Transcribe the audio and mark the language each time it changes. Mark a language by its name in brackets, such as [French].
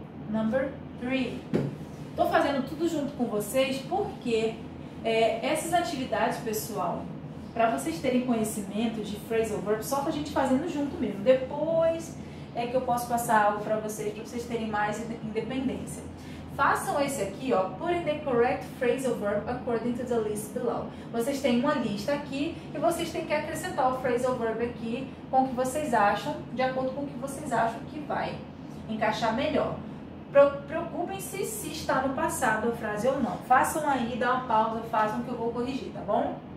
[English] Number 3. [Portuguese] Tô fazendo tudo junto com vocês porque essas atividades, pessoal, para vocês terem conhecimento de phrasal verb, só pra gente fazendo junto mesmo. Depois é que eu posso passar algo pra vocês terem mais independência. Façam esse aqui, ó, [English] put in the correct phrasal verb according to the list below. [Portuguese] Vocês têm uma lista aqui e vocês têm que acrescentar o phrasal verb aqui com o que vocês acham, de acordo com o que vocês acham que vai encaixar melhor. Preocupem-se se está no passado a frase ou não. Façam aí, dá uma pausa, façam que eu vou corrigir, tá bom?